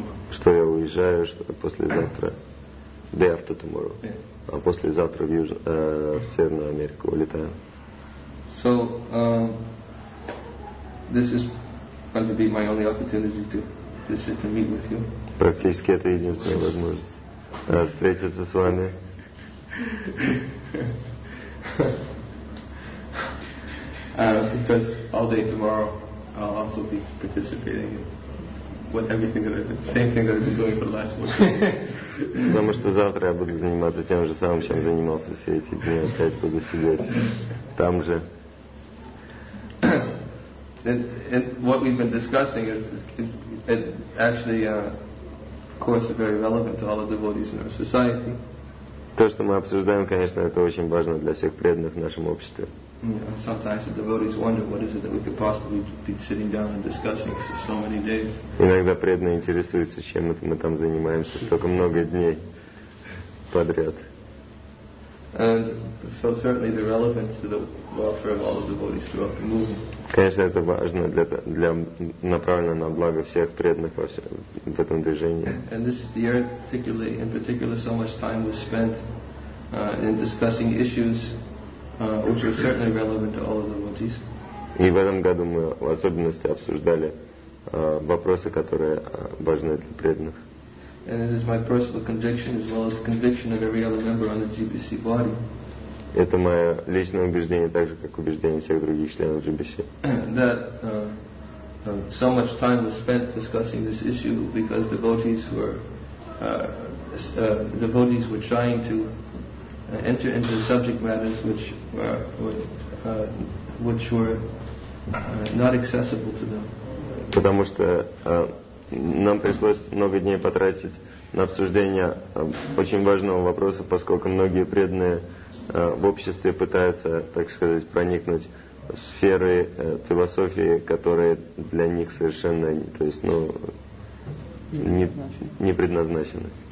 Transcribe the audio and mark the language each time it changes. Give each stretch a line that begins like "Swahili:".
Russian: Что я уезжаю, что послезавтра.
English: Day after tomorrow.
Russian: А послезавтра в Северную Америку улетаю.
English: So, this is going to be my only opportunity to sit and meet with you.
Russian: Практически это единственная возможность встретиться с вами.
English: Because all day tomorrow I'll also be participating in what everything that I've been, same thing that I've been doing for the last week.
Russian: Потому что завтра я буду заниматься тем же самым, чем занимался все эти дни. Опять буду сидеть там же.
English: And what we've been discussing is actually, of course, very relevant to all the devotees in our society.
Russian: То, что мы обсуждаем, конечно, это очень важно для всех преданных в нашем обществе.
English: Sometimes the devotees wonder what is it that we could possibly be sitting down and discussing for so many days.
Russian: Иногда преданные интересуются, чем мы там занимаемся столько много дней подряд.
English: And so certainly the relevance to the welfare of all the devotees throughout the movement.
Russian: Конечно, это важно для направлено на благо всех преданных во всем в этом движении.
English: And this year, in particular, so much time was spent in discussing issues which were certainly relevant to all of the devotees.
Russian: И в этом году мы в особенности обсуждали вопросы, которые важны для преданных.
English: And it is my personal conviction, as well as the conviction of every other member on the GBC body.
Russian: Это мое личное убеждение, так же как убеждение всех других членов GBC.
English: That so much time was spent discussing this issue because devotees were trying to enter into the subject matters which were not accessible to them.
Russian: Потому что нам пришлось много дней потратить на обсуждение очень важного вопроса, поскольку многие преданные в обществе пытаются, так сказать, проникнуть в сферы философии, которые для них совершенно, то есть, ну, не предназначены.